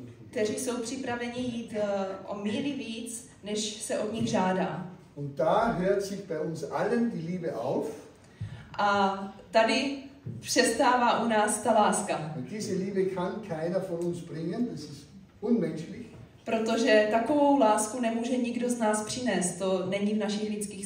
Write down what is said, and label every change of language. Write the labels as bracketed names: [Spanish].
[Czech] Kteří jsou připraveni jít o míli víc, než se od nich žádá. [German] Und da hört sich bei uns allen die Liebe auf. [Czech] A tady přestává u nás ta láska. [German] Und diese Liebe kann keiner von uns bringen, das ist unmenschlich. [Czech] Protože takovou lásku nemůže nikdo z nás přinést, to není v našich lidských